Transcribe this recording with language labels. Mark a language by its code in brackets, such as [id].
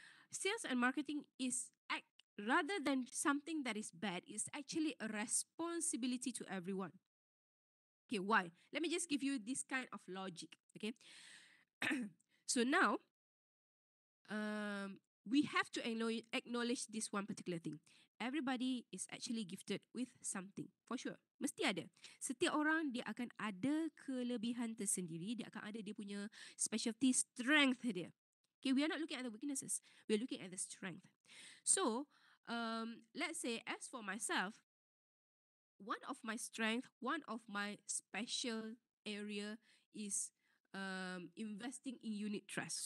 [en] Sales and marketing is, rather than something that is bad, is actually a responsibility to everyone. Okay, why? Let me just give you this kind of logic, okay? So now, we have to acknowledge this one particular thing. Everybody is actually gifted with something, for sure. [ms] Mesti ada. Setiap orang, dia akan ada kelebihan tersendiri. Dia akan ada dia punya specialty, strength dia. [en] Okay, we are not looking at the weaknesses. We are looking at the strength. So, let's say, as for myself, one of my strength, one of my special area is investing in unit trust.